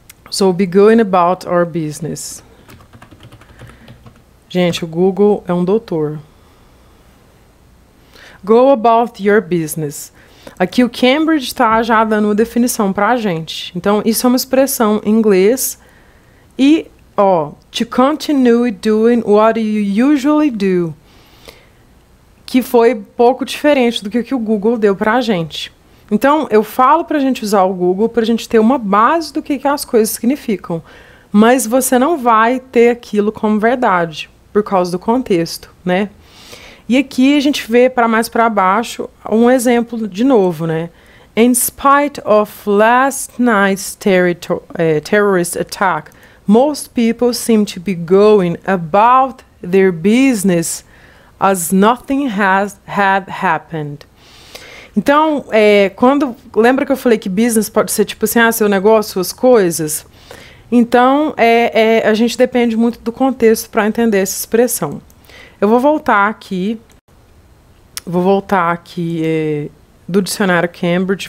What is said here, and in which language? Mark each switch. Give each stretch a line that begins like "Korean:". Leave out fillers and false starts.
English: So, be going about our business.
Portuguese: Gente, o Google é um doutor.
English: Go about your business.
Portuguese: Aqui o Cambridge está já dando a definição para a gente. Então, isso é uma expressão em inglês.
English: E, ó, to continue doing what you usually do.
Portuguese: Que foi pouco diferente do que o Google deu para a gente. Então, eu falo para a gente usar o Google para a gente ter uma base do que as coisas significam. Mas você não vai ter aquilo como verdade, por causa do contexto, né? E aqui a gente vê, para mais para baixo, um exemplo de novo, né?
English: In spite of last night's terrorist attack, most people seem to be going about their business as nothing had happened.
Portuguese: Então, quando... Lembra que eu falei que business pode ser tipo assim, ah, seu negócio, suas coisas? Então, a gente depende muito do contexto para entender essa expressão. Eu vou voltar aqui. Vou voltar aqui do dicionário Cambridge.